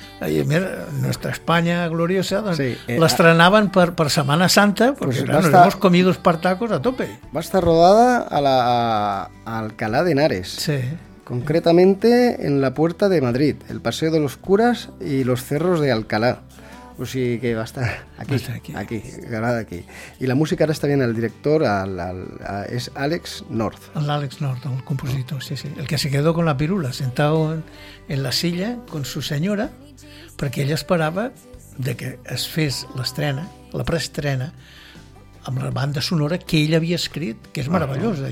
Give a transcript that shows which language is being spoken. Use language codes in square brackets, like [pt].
[ca] I mira, nostra Espanya gloriosa, doncs, sí, l'estrenaven per Setmana Santa, perquè [es] pues hemos comido espartacos a tope. [ca] Va estar rodada a Alcalá de Henares, sí. [es] Concretamente en la Puerta de Madrid, el Paseo de los Curas y los Cerros de Alcalá. [ca] O sigui que va estar aquí, gravada aquí. I la música ara està bien, el director és Alex North. L'Alex North, el compositor, sí, sí. [es] El que se quedó con la pirula, sentado en la silla con su señora, [ca] perquè ell esperava de que es fes l'estrena, la preestrena, amb la banda sonora que ell havia escrit, que és meravellosa.